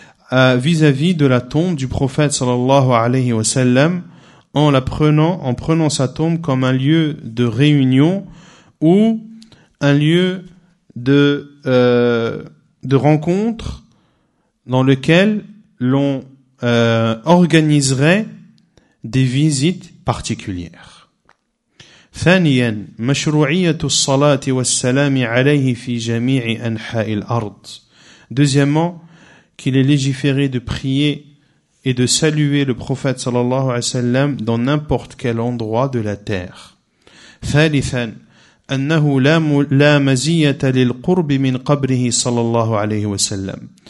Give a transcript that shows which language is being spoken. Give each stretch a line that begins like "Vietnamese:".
French: vis-à-vis de la tombe du prophète
Arabic: sallallahu alayhi wa sallam
French: en prenant sa tombe comme un lieu de réunion ou un lieu de rencontre dans lequel l'on organiserait des visites particulières.
Arabic: ثانيا مشروعية الصلاة والسلام عليه في جميع أنحاء الأرض.
French: Deuxièmement, qu'il est légiféré de prier et de saluer le prophète
Arabic: صلى الله عليه وسلم
French: dans n'importe quel endroit de la terre.
Arabic: ثالثا أنه لا مزية للقرب من قبره صلى الله عليه وسلم.